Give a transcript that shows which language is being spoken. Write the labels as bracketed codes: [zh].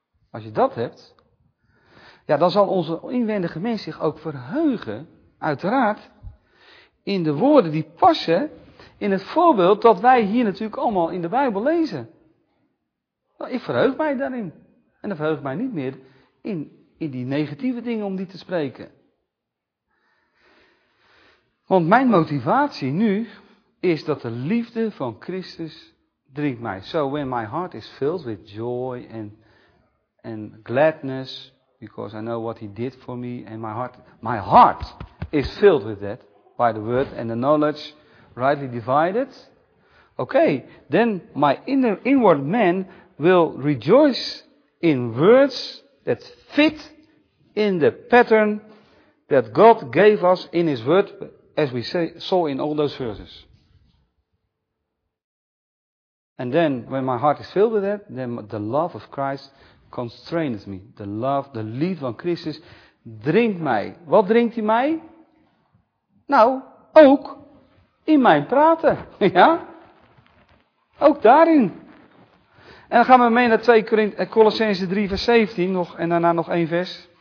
[nl] Als je dat hebt, ja, dan zal onze inwendige mens zich ook verheugen, uiteraard, in de woorden die passen in het voorbeeld dat wij hier natuurlijk allemaal in de Bijbel lezen. Nou, ik verheug mij daarin. En dan verheug ik mij niet meer in die negatieve dingen om die te spreken. Want mijn motivatie nu is dat de liefde van Christus drinkt mij. [en] So when my heart is filled with joy and gladness, because I know what he did for me, and my heart is filled with that, by the word and the knowledge, rightly divided. Okay, then my inward man will rejoice in words that fit in the pattern that God gave us in his word, as we saw in all those verses. And then, when my heart is filled with that, then the love of Christ constrains me. The love, the [nl] liefde van Christus drinkt mij. Wat drinkt hij mij? Nou, ook in mijn praten. Ja? Ook daarin. En dan gaan we mee naar 2 Colossenzen 3 vers 17. Nog, en daarna nog één vers.